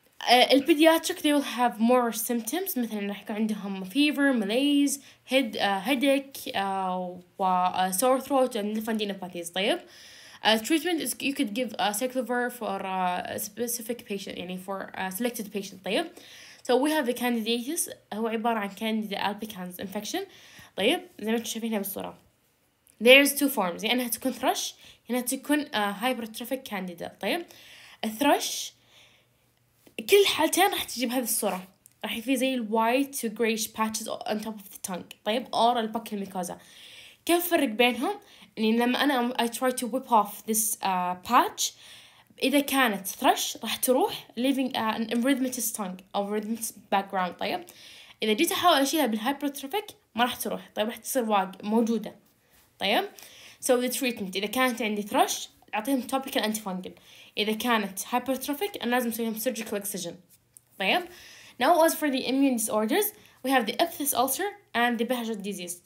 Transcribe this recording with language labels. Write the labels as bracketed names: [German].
[English] البيدياتريك they will have more symptoms [Arabic] مثلا راح يكون عندهم [English] fever, malaise, headache, sore throat and lymphadenopathies. طيب treatment is you could give cyclovir for a specific patient, يعني for a selected patient. طيب so we have the candidiasis, [Arabic] هو عبارة عن [English] candida albicans infection. [Arabic] طيب زي ما انتم شايفينها بالصورة [English] there's two forms, [Arabic] يعني تكون thrush, يعني تكون hypertrophic candida. طيب thrush كل حالتين راح تجيب هذه الصورة, راح يفي زي ال [English] white to greyish patches on top of the tongue. طيب or the buccal mucosa, [Arabic] كيف فرق بينهم؟ يعني لما أنا [English] I try to whip off this patch, إذا كانت thrush راح تروح leaving an erythematous tongue or erythematous background. [Arabic] طيب إذا جيت أحاول أشيلها بالhypertrophic ما راح تروح, طيب راح تصير واقع موجودة. طيب so the treatment, إذا كانت عندي thrush أعطيهم [English] topical antifungal, [Arabic] إذا كانت hypertrophic أنا لازم أسويهم [English] surgical excision. طيب now as for the immune disorders, we have the herpes ulcer and the Behçet disease.